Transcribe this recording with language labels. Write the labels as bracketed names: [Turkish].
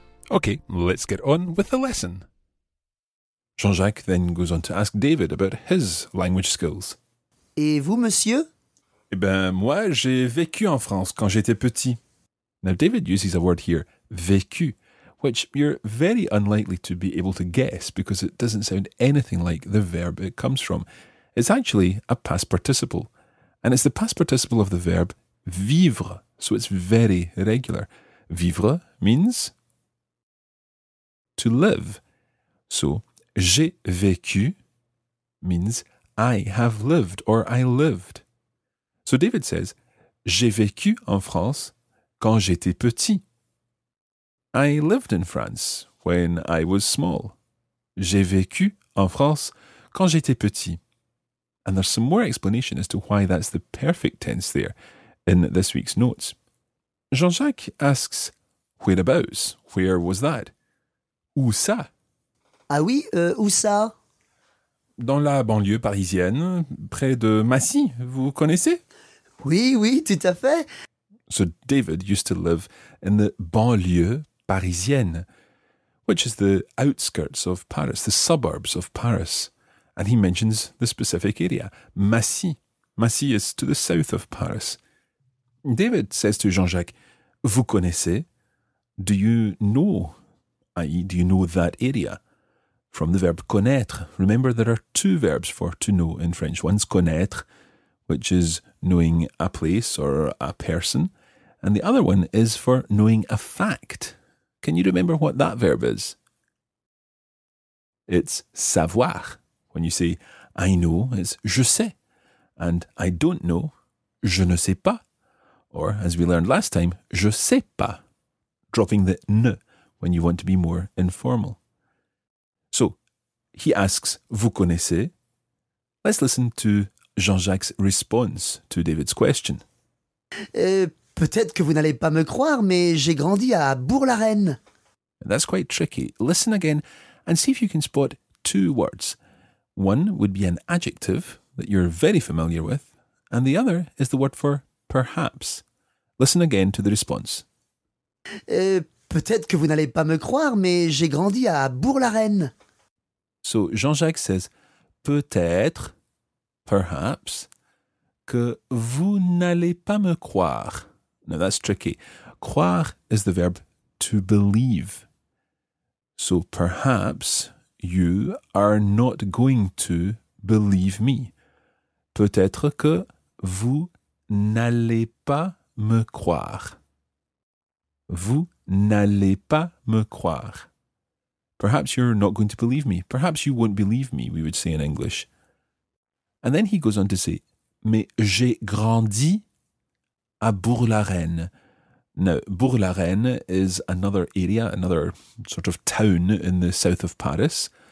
[English] Okay, let's get on with the lesson. Jean-Jacques then goes on to ask David about his language skills. [French] Et vous, monsieur? Eh ben, moi, j'ai vécu en France quand j'étais petit. [English] Now, David uses a word here, vécu, which you're very unlikely to be able to guess because it doesn't sound anything like the verb it comes from. It's actually a past participle, and it's the past participle of the verb vivre, so it's very irregular. Vivre means to live. So, j'ai vécu means I have lived or I lived. So David says, [French] j'ai vécu en France quand j'étais petit. [English] I lived in France when I was small. [French] J'ai vécu en France quand j'étais petit. [English] And there's some more explanation as to why that's the perfect tense there in this week's notes. Jean-Jacques asks, whereabouts? Where was that? [French] Où ça? Ah oui, où ça? Dans la banlieue parisienne, près de Massy, vous connaissez? Oui, oui, tout à fait. [English] So David used to live in the banlieue parisienne, which is the outskirts of Paris, the suburbs of Paris. And he mentions the specific area, Massy. Massy is to the south of Paris. David says to Jean-Jacques, [French] vous connaissez? [English] Do you know? I.e., do you know that area? From the verb connaître. Remember, there are two verbs for to know in French. One's connaître, which is knowing a place or a person. And the other one is for knowing a fact. Can you remember what that verb is? It's savoir. When you say I know, it's [French] je sais. [English] And I don't know, [French] je ne sais pas. [English] Or, as we learned last time, [French] je sais pas. [English] Dropping the ne when you want to be more informal. So, he asks, [French] vous connaissez? [English] Let's listen to Jean-Jacques' response to David's question. [French] Peut-être que vous n'allez pas me croire, mais j'ai grandi à Bourg-la-Reine. [English] That's quite tricky. Listen again and see if you can spot two words. One would be an adjective that you're very familiar with, and the other is the word for perhaps. Listen again to the response. [French] Peut-être que vous n'allez pas me croire, mais j'ai grandi à Bourg-la-Reine. So, Jean-Jacques says, peut-être, perhaps, que vous n'allez pas me croire. [English] Now, that's tricky. Croire is the verb to believe. So, perhaps you are not going to believe me. [French] Peut-être que vous n'allez pas me croire. Vous n'allez pas me croire. [English] Perhaps you're not going to believe me. Perhaps you won't believe me, we would say in English. And then he goes on to say, [French] mais j'ai grandi à [English] Bourg-la-Reine. Now, Bourg-la-Reine is another area, another sort of town in the south of Paris.